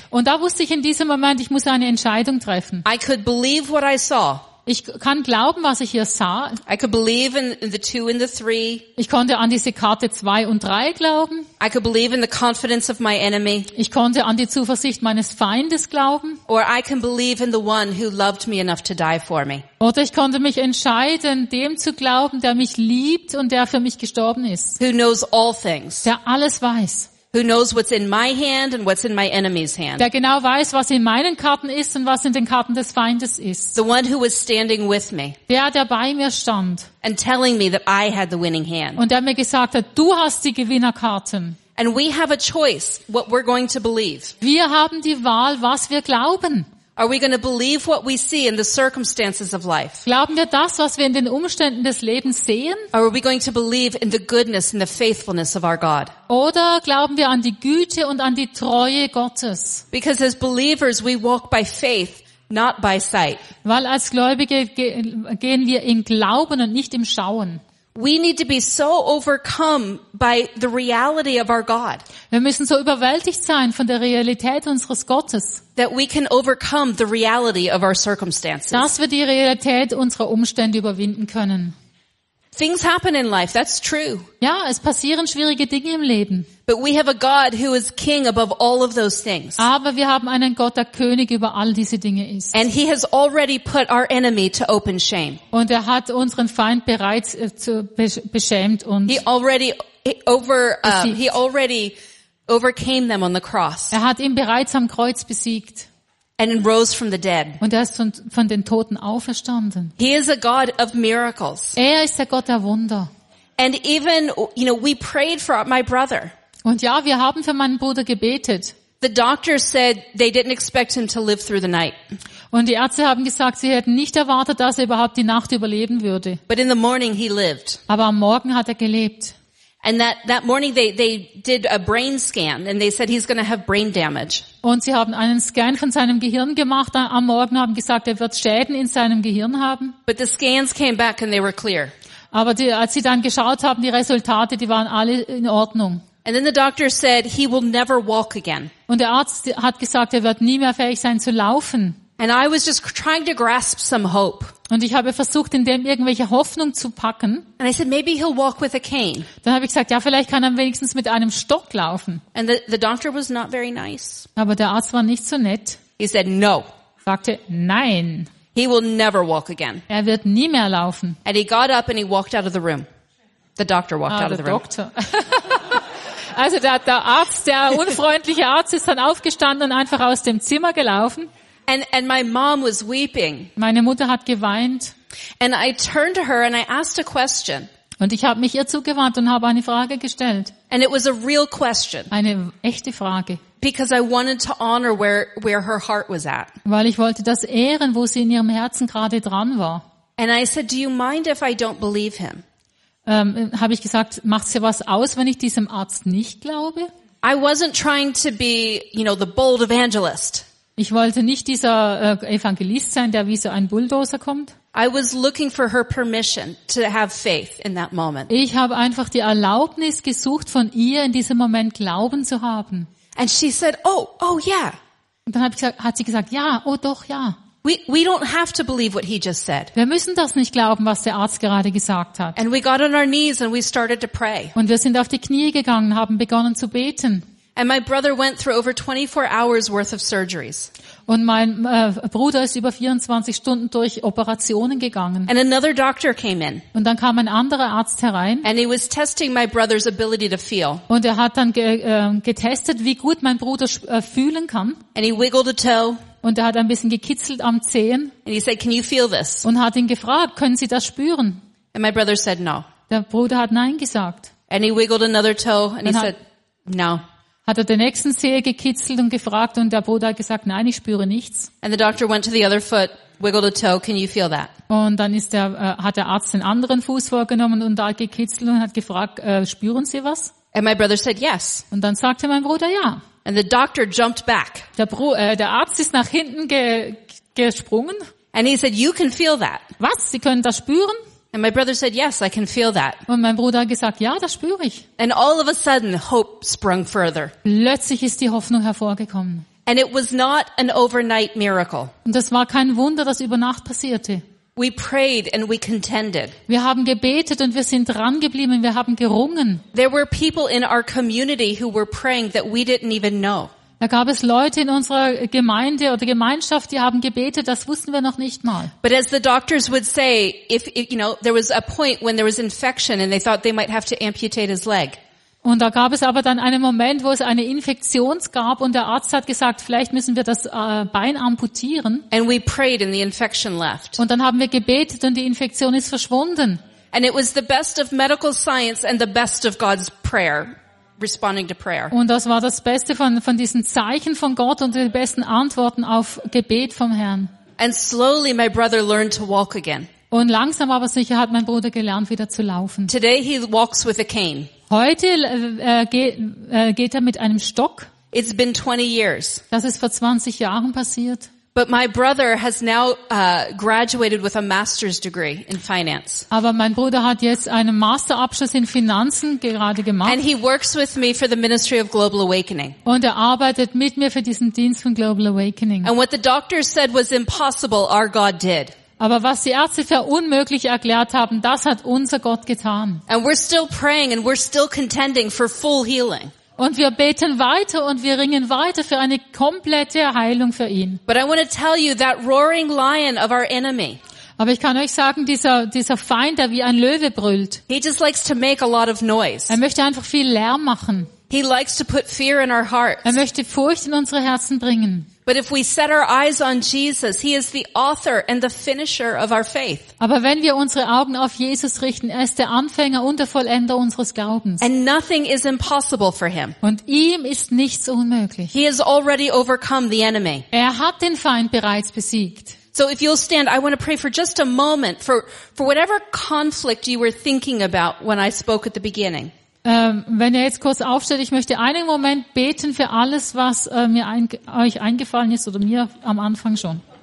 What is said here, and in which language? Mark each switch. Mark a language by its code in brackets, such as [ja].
[de] Und da wusste ich in diesem Moment, ich muss eine Entscheidung treffen. [en] I could believe what I saw. [de] Ich kann glauben, was ich hier sah. [en] I could believe in the 2 and the 3. [de] Ich konnte an diese Karte 2 und 3 glauben. [en] I could believe in the confidence of my enemy. [de] Ich konnte an die Zuversicht meines Feindes glauben. [en] Or I can believe in the one who loved me enough to die for me. [de] Oder ich konnte mich entscheiden, dem zu glauben, der mich liebt und der für mich gestorben ist. [en] Who knows all things. [de] Der alles weiß. [en] Who knows what's in my hand and what's in my enemy's hand? [de] Der genau weiß, was in meinen Karten ist und was in den Karten des Feindes ist. [en] The one who was standing with me. [de] Der bei mir stand. [en] And telling me that I had the winning hand. [de] Und der mir gesagt hat, du hast die Gewinnerkarten. [en] And we have a choice what we're going to believe. [de] Wir haben die Wahl, was wir glauben. [en] Are we going to believe what we see in the circumstances of life? [de] Glauben wir das, was wir in den Umständen des Lebens sehen? [en] Or are we going to believe in the goodness and the faithfulness of our God? [de] Oder glauben wir an die Güte und an die Treue Gottes? [en] Because as believers we walk by faith, not by sight. [de] Weil als Gläubige gehen wir im Glauben und nicht im Schauen. [en] We need to be so overcome by the reality of our God. [de] Wir müssen so überwältigt sein von der Realität unseres Gottes, [en] that we can overcome the reality of our circumstances. [de] Dass wir die Realität unserer Umstände überwinden können. [en] Things happen in life, that's true. [de] Ja, es passieren schwierige Dinge im Leben. [en] But we have a God who is king above all of those things. [de] Aber wir haben einen Gott, der König über all diese Dinge ist. [en] And he has already put our enemy to open shame. [de] Und er hat unseren Feind bereits beschämt und [en] he already overcame them on the cross. [de] Er hat ihn bereits am Kreuz besiegt. [en] And rose from the dead. [de] Und er ist von den Toten auferstanden. [en] He is a God of miracles. [de] Er ist der Gott der Wunder. [en] And even, you know, we prayed for my brother. [de] Und ja, wir haben für meinen Bruder gebetet. [en] The doctors said they didn't expect him to live through the night. [de] Und die Ärzte haben gesagt, sie hätten nicht erwartet, dass er überhaupt die Nacht überleben würde. [en] But in the morning he lived. [de] Aber am Morgen hat er gelebt. [en] And that morning they did a brain scan and they said he's going to have brain damage. [de] Und sie haben einen Scan von seinem Gehirn gemacht am Morgen, haben gesagt, er wird Schäden in seinem Gehirn haben. [en] But the scans came back and they were clear. [de] Aber als sie dann geschaut haben, die Resultate, die waren alle in Ordnung. [en] And then the doctor said he will never walk again. [de] Und der Arzt hat gesagt, er wird nie mehr fähig sein zu laufen. [en] And I was just trying to grasp some hope. [de] Und ich habe versucht, in dem irgendwelche Hoffnung zu packen. [en] And I said, maybe he'll walk with a cane. [de] Dann habe ich gesagt, ja, vielleicht kann er wenigstens mit einem Stock laufen. [en] And the doctor was not very nice. [de] Aber der Arzt war nicht so nett. [en] He said no. [de] Sagte nein. [en] He will never walk again. [de] Er wird nie mehr laufen. [en] And he got up and he walked out of the room. The doctor walked out of the room. [de] Doktor. Also der Arzt, der unfreundliche Arzt, ist dann aufgestanden und einfach aus dem Zimmer gelaufen. [en] And my mom was weeping. [de] Meine Mutter hat geweint. [en] And I turned to her and I asked a question. [de] Und ich habe mich ihr zugewandt und habe eine Frage gestellt. [en] And it was a real question. [de] Eine echte Frage. [en] Because I wanted to honor where her heart was at. [de] Weil ich wollte das ehren, wo sie in ihrem Herzen gerade dran war. [en] And I said, do you mind if I don't believe him? [de] Habe ich gesagt, macht's dir was aus, wenn ich diesem Arzt nicht glaube? [en] I wasn't trying to be, you know, the bold evangelist. [de] Ich wollte nicht dieser Evangelist sein, der wie so ein Bulldozer kommt. [en] I was looking for her permission to have faith in that moment. [de] Ich habe einfach die Erlaubnis gesucht, von ihr in diesem Moment Glauben zu haben. [en] And she said, oh yeah. [de] Und dann hat sie gesagt, ja, oh doch, ja. [en] We don't have to believe what he just said. [de] Wir müssen das nicht glauben, was der Arzt gerade gesagt hat. [en] And we got on our knees and we started to pray. [de] Und wir sind auf die Knie gegangen, haben begonnen zu beten. [en] And my brother went through over 24 hours worth of surgeries. [de] Und mein Bruder ist über 24 Stunden durch Operationen gegangen. [en] And another doctor came in. [de] Und dann kam ein anderer Arzt herein. [en] And he was testing my brother's ability to feel. [de] Und er hat dann getestet, wie gut mein Bruder fühlen kann. [en] And he wiggled a toe. [de] Und er hat ein bisschen gekitzelt am Zehen. [en] And he said, "Can you feel this?" [de] Und hat ihn gefragt, können Sie das spüren? [en] And my brother said no. [de] Der Bruder hat nein gesagt. [en] And he wiggled another toe and he said, "No." [de] Hat er den nächsten Zeh gekitzelt und gefragt und der Bruder hat gesagt, nein, ich spüre nichts. [en] And the doctor went to the other foot, wiggled a toe, "Can you feel that?" [de] Und dann hat der Arzt den anderen Fuß vorgenommen und da gekitzelt und hat gefragt, spüren Sie was? [en] And my brother said, "Yes." [de] Und dann sagte mein Bruder, ja. [en] And the doctor jumped back. [de] Der Arzt ist nach hinten gesprungen. [en] And he said, "You can feel that." [de] Was? Sie können das spüren? [en] And my brother said, "Yes, I can feel that." [de] Und mein Bruder hat gesagt, ja, das spüre ich. [en] And all of a sudden, hope sprung further. [de] Plötzlich ist die Hoffnung hervorgekommen. [en] And it was not an overnight miracle. [de] Und das war kein Wunder, das über Nacht passierte. [en] We prayed and we contended. [de] Wir haben gebetet und wir sind dran geblieben, wir haben gerungen. [en] There were people in our community who were praying that we didn't even know. [de] Da gab es Leute in unserer Gemeinde oder Gemeinschaft, die haben gebetet, das wussten wir noch nicht mal. [en] But as the doctors would say, if you know, there was a point when there was infection and they thought they might have to amputate his leg. [de] Und da gab es aber dann einen Moment, wo es eine Infektion gab und der Arzt hat gesagt, vielleicht müssen wir das Bein amputieren. [en] And we prayed and the infection left. [de] Und dann haben wir gebetet und die Infektion ist verschwunden. [en] And it was the best of medical science and the best of God's prayer, responding to prayer. [de] Und das war das Beste von diesen Zeichen von Gott und die besten Antworten auf Gebet vom Herrn. [en] And slowly my brother learned to walk again. [de] Und langsam aber sicher hat mein Bruder gelernt, wieder zu laufen. [en] Today he walks with a cane. [de] Heute geht er mit einem Stock. [en] It's been 20 years. [de] Das ist vor 20 Jahren passiert. [en] But my brother has now graduated with a master's degree in finance. [de] Aber mein Bruder hat jetzt einen Masterabschluss in Finanzen gerade gemacht. [en] And he works with me for the Ministry of Global Awakening. [de] Und er arbeitet mit mir für diesen Dienst von Global Awakening. [en] And what the doctors said was impossible, our God did. [de] Aber was die Ärzte für unmöglich erklärt haben, das hat unser Gott getan. [en] And we're still praying and we're still contending for full healing. [de] Und wir beten weiter und wir ringen weiter für eine komplette Heilung für ihn. [en] But I want to tell you that roaring lion of our enemy. [de] Aber ich kann euch sagen, dieser Feind, der wie ein Löwe brüllt. [en] He just likes to make a lot of noise. [de] Er möchte einfach viel Lärm machen. [en] He likes to put fear in our hearts. [de] Er möchte Furcht in unsere Herzen bringen. [en] But if we set our eyes on Jesus, he is the author and the finisher of our faith. [de] Aber wenn wir unsere Augen auf Jesus richten, er ist der Anfänger und der Vollender unseres Glaubens. [en] And nothing is impossible for him. [de] Und ihm ist nichts unmöglich. [en] He has already overcome the enemy. [de] Er hat den Feind bereits besiegt. [en] So if you'll stand, I want to pray for just a moment for whatever conflict you were thinking about when I spoke at the beginning. [de] Wenn ihr jetzt kurz aufsteht, ich möchte einen Moment beten für alles, was euch eingefallen ist oder mir am Anfang schon.